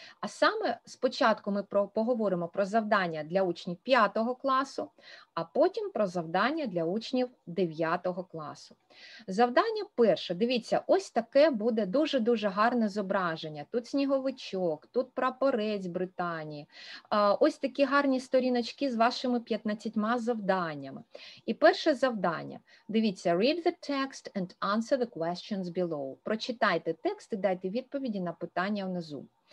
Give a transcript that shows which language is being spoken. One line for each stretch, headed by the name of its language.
Ukrainian: А саме спочатку ми поговоримо про завдання для учнів 5 класу, а потім про завдання для учнів 9 класу. Завдання перше. Дивіться, ось таке буде дуже-дуже гарне зображення. Тут сніговичок, тут прапорець Британії. Ось такі гарні сторіночки з вашими 15 завданнями. І перше завдання.
English: Дивіться, read the text and answer the questions below.
Ukrainian: Прочитайте текст і дайте відповіді на питання внизу.